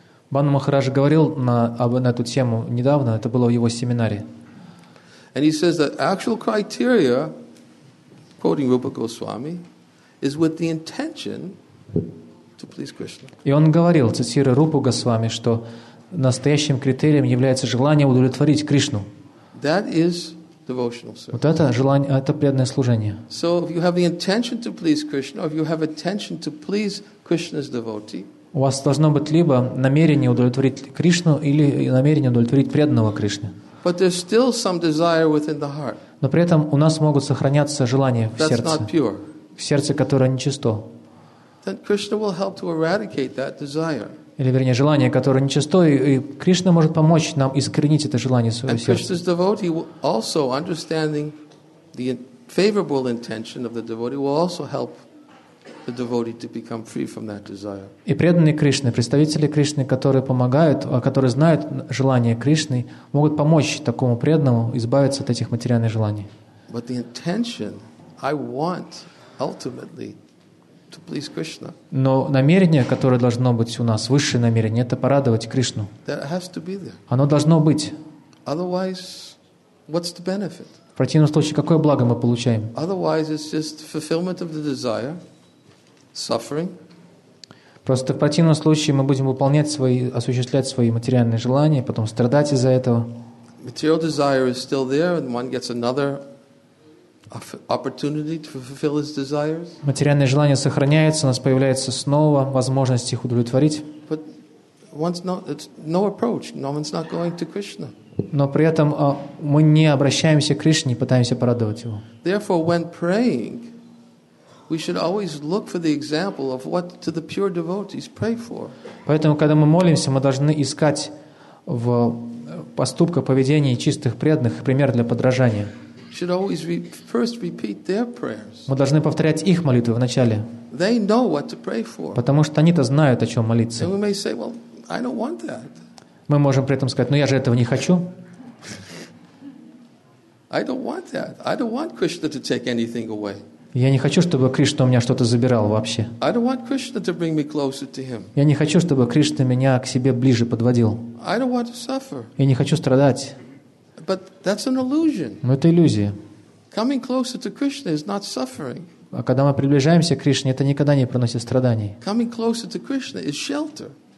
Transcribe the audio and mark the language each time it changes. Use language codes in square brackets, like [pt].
[ru] Бану Махарадж говорил на эту тему недавно. Это было в его семинаре. [en] And he says that actual criteria, quoting Rupa Goswami, is with the intention to please Krishna. [ru] И он говорил, цитируя Рупу Госвами, что настоящим критерием является желание удовлетворить Кришну. [en] That is devotional service. [ru] Вот это желание, это преданное служение. [en] So if you have the intention to please Krishna, or if you have intention to please Krishna's devotee, [ru] у вас должно быть либо намерение удовлетворить Кришну, или намерение удовлетворить преданного Кришны. [en] But there's still some desire within the heart. [ru] Но при этом у нас могут сохраняться желания в сердце. [en] That's not pure. [ru] В сердце, которое нечисто. [en] Then Krishna will help to eradicate that desire. [ru] Или, вернее, желание, которое нечисто, и Кришна может помочь нам искоренить это желание в своем сердце. [en] And Krishna's devotee will also, understanding the favorable intention of the devotee, will also help the devotee to become free from that desire. [ru] И преданные Кришны, представители Кришны, которые помогают, которые знают желание Кришны, могут помочь такому преданному избавиться от этих материальных желаний. [en] But the intention I want ultimately to please Krishna. [ru] Но намерение, которое должно быть у нас, высшее намерение, это порадовать Кришну. [en] That has to be there. [ru] Оно должно быть. [en] Otherwise, what's the benefit? [ru] В противном случае, какое благо мы получаем? [en] Otherwise, it's just fulfillment of the desire. Suffering. [ru] Просто в противном случае мы будем выполнять свои, осуществлять свои материальные желания, потом страдать из-за этого. [en] Material desire is still there, and one gets another opportunity to fulfill his desires. [ru] Материальное желание сохраняется, у нас появляется снова возможность их удовлетворить. [en] But one's not, it's no approach. No one's not going to Krishna. [ru] Но при этом мы не обращаемся к Кришне, пытаемся порадовать его. [en] Therefore, when praying, we should always look for the example of what to the pure devotees pray for. [ru] Поэтому, когда мы молимся, мы должны искать в поступках, поведении чистых преданных пример для подражания. [en] Should always first repeat their prayers. [ru] Мы должны повторять их молитвы вначале. [en] They know what to pray for. [ru] Потому что они-то знают, о чем молиться. [en] And we may say, well, I don't want that. [ru] Мы можем при этом сказать, ну я же этого не хочу. [en] I don't want that. I don't want Krishna to take anything away. [ru] Я не хочу, чтобы Кришна у меня что-то забирал вообще. [en] I don't want Krishna to bring me closer to him. [ru] Я не хочу, чтобы Кришна меня к себе ближе подводил. [en] I don't want to suffer. [ru] Я не хочу страдать. [en] But that's an illusion. [ru] Но это иллюзия. [en] Coming closer to Krishna is not suffering. [ru] А когда мы приближаемся к Кришне, это никогда не приносит страданий. [en] Coming closer to Krishna is shelter.